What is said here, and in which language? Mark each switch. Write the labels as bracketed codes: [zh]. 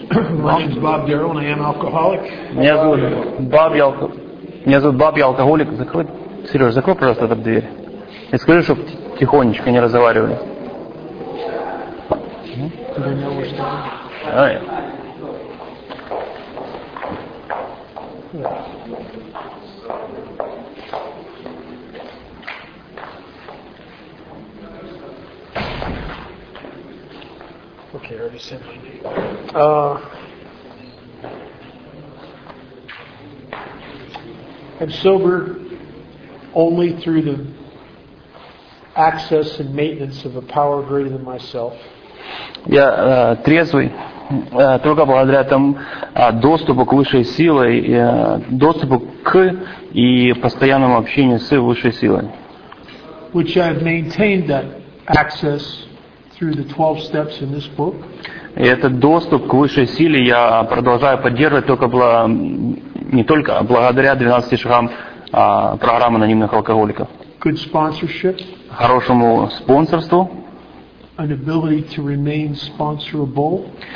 [en] My name is Bob Darrell and I am an alcoholic. [ru] Меня зовут Баб, я алкоголик. Закрой, Сережа, закрой, пожалуйста, эту дверь. И скажи, чтобы тихонечко не разговаривали. Давай. [en] Okay, I already said my name. I'm sober only through the access and maintenance of a power greater than myself. [ru] Я трезвый только благодаря тому доступу к высшей силе, доступу к и постоянному общению с высшей силой. [en] Which I've maintained that access through the 12 steps in this book. [ru] И этот доступ к высшей силе я продолжаю поддерживать только не только благодаря 12 шагам программы анонимных алкоголиков. [en] Good sponsorship. [ru] Хорошему спонсорству. [en] An ability to remain sponsorable.